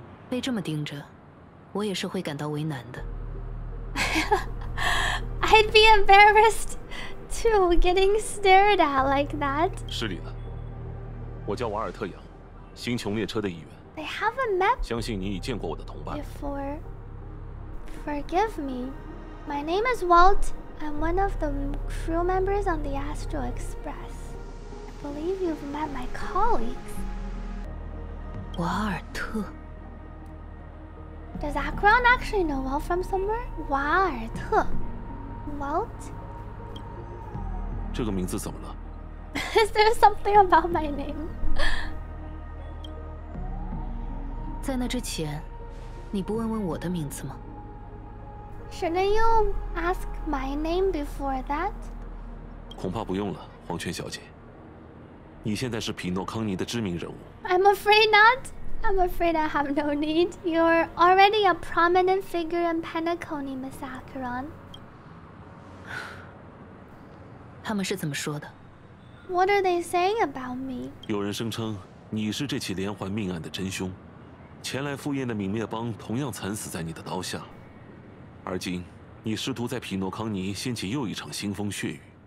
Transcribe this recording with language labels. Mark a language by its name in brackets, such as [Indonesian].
[Chinese] Be这么盯着我也是会感到为难的 [English] I'd be embarrassed too, getting stared at like that. [Chinese] 失礼了我叫瓦尔特扬星穹列车的一员 [English] They haven't met [Chinese] 相信你已见过我的同伴 [English] before. Forgive me. My name is Walt. I'm one of the crew members on the Astro Express. I believe you've met my colleagues. [Chinese] 瓦尔特 [English] Does Acheron actually know Walt from somewhere? 瓦尔特 Walt? [Chinese] 这个名字怎么了 [English] Is there something about my name? [Chinese] 在那之前你不问问我的名字吗 [English] Shouldn't you ask my name before that? [Chinese] 恐怕不用了黄泉小姐你现在是皮诺康尼的知名人物 [English] I'm afraid not I'm afraid I have no need You're already a prominent figure in penacony, Miss Acheron [Chinese] 他们是怎么说的 [English] What are they saying about me? [Chinese] 有人声称你是这起连环命案的真凶前来赴宴的泯灭帮同样惨死在你的刀下而今你试图在皮诺康尼掀起又一场腥风血雨